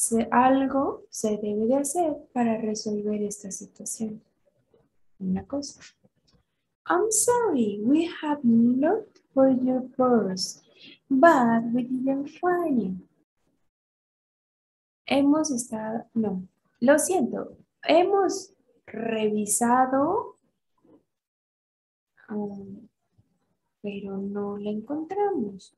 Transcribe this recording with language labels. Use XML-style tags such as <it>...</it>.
<es>Algo se debe de hacer para resolver esta situación. Una cosa.</es> <en>I'm sorry, we have looked for your purse, but we didn't find it.</en> <es>Hemos estado, no, lo siento, hemos revisado, pero no la encontramos.</es>